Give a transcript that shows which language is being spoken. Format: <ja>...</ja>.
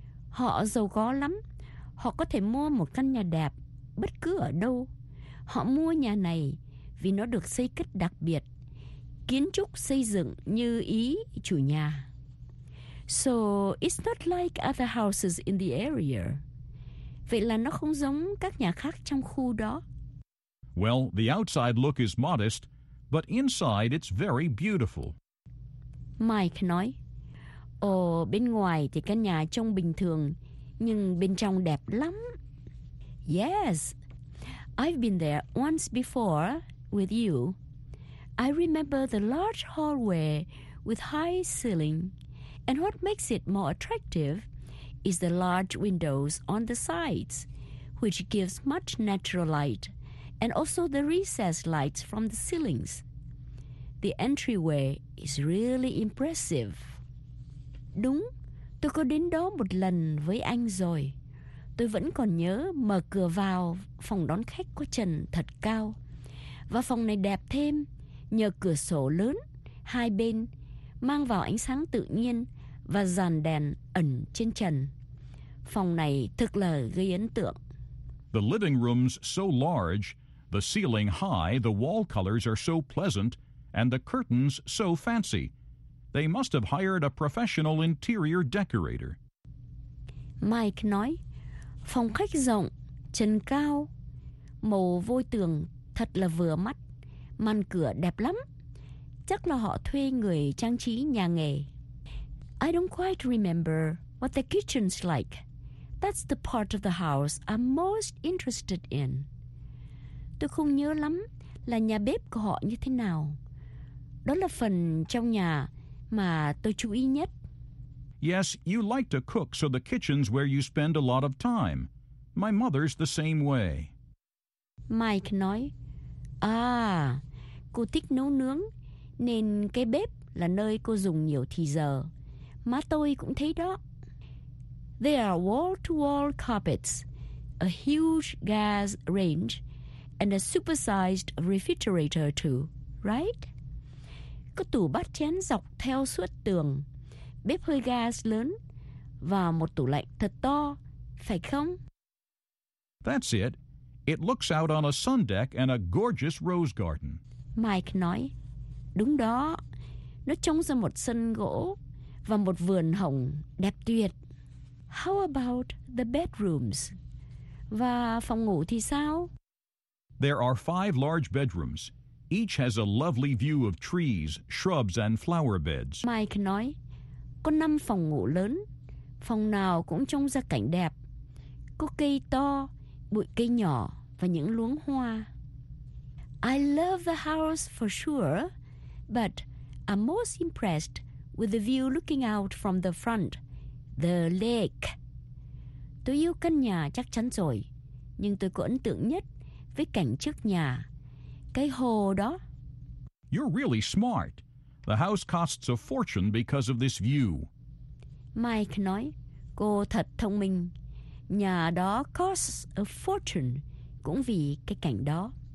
<vi>Họ giàu có lắm. Họ có thể mua một căn nhà đẹp bất cứ ở đâu. Họ mua nhà này vì nó được xây cất đặc biệt. Kiến trúc xây dựng như ý chủ nhà.</vi> <en>So, it's not like other houses in the area.</en> <vi>Vậy là nó không giống các nhà khác trong khu đó.</vi> <en>Well, the outside look is modest, but inside it's very beautiful.</en> <vi>Mike nói, ồ, bên ngoài thì căn nhà trông bình thường, nhưng bên trong đẹp lắm.</vi> <en>Yes, I've been there once before with you. I remember the large hallway with high ceiling. And what makes it more attractive is the large windows on the sides, which gives much natural light, and also the recessed lights from the ceilings. The entryway is really impressive.</en> <vi>Đúng, tôi có đến đó một lần với anh rồi. Tôi vẫn còn nhớ mở cửa vào phòng đón khách có trần thật cao. Và phòng này đẹp thêm. Nhờ cửa sổ lớn, hai bên, mang vào ánh sáng tự nhiên và dàn đèn ẩn trên trần. Phòng này thực là gây ấn tượng.</vi> <en>The living room's so large, the ceiling high, the wall colors are so pleasant, and the curtains so fancy. They must have hired a professional interior decorator.</en> <vi>Mike nói, phòng khách rộng, trần cao, màu vôi tường thật là vừa mắt. Màn cửa đẹp lắm. Chắc là họ thuê người trang trí nhà nghề.</vi> <en>I don't quite remember what the kitchen's like. That's the part of the house I'm most interested in.</en> <vi>Tôi không nhớ lắm là nhà bếp của họ như thế nào. Đó là phần trong nhà mà tôi chú ý nhất.</vi> <en>Yes, you like to cook, so the kitchen's where you spend a lot of time. My mother's the same way.</en> <vi>Mike nói, à, cô thích nấu nướng, nên cái bếp là nơi cô dùng nhiều thì giờ. Má tôi cũng thấy đó.</vi> <en>There are wall-to-wall carpets, a huge gas range, and a supersized refrigerator too, right?</en> <vi>Có tủ bát chén dọc theo suốt tường, bếp hơi gas lớn, và một tủ lạnh thật to, phải không?</vi> <en>That's it. It looks out on a sun deck and a gorgeous rose garden.</en> <vi>Mike nói, đúng đó, nó trông ra một sân gỗ và một vườn hồng đẹp tuyệt.</vi> <en>How about the bedrooms?</en> <vi>Và phòng ngủ thì sao?</vi> <en>There are five large bedrooms. Each has a lovely view of trees, shrubs, and flower beds.</en> <vi>Mike nói, có năm phòng ngủ lớn. Phòng nào cũng trông ra cảnh đẹp. Có cây to, bụi cây nhỏ và những luống hoa.</vi> <en>I love the house for sure, but I'm most impressed with the view looking out from the front, the lake.</en> <vi>Tôi yêu căn nhà chắc chắn rồi, nhưng tôi có ấn tượng nhất với cảnh trước nhà, cái hồ đó.</vi> <en>You're really smart. The house costs a fortune because of this view.</en> <vi>Mike nói, cô thật thông minh. Nhà đó costs a fortune cũng vì cái cảnh đó.</vi>